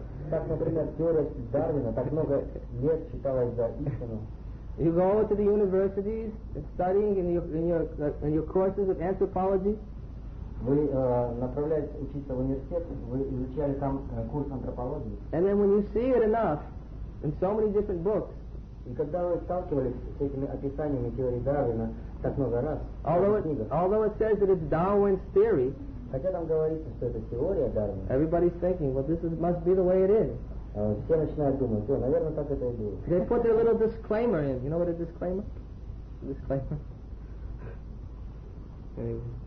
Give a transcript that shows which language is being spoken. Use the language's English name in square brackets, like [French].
[Russian] Так, например, теория Дарвина так много лет считалась за истину. [English] You go to the universities and studying in your courses of anthropology. [Russian] Вы направляетесь учиться в университет, вы изучали там курс антропологии. [English] And then when you see it enough in so many different books, [Russian] и когда вы сталкивались с этими описаниями теории Дарвина так много раз, [English] although it says that it's Darwin's theory, [Russian] хотя там говорится, что это теория Дарвина, [English] everybody's thinking, well, this is, must be the way it is. [Russian] Все начинают думать, да, наверное, так это и было. [English] They put their little disclaimer in. You know what a disclaimer? Disclaimer. Anyway.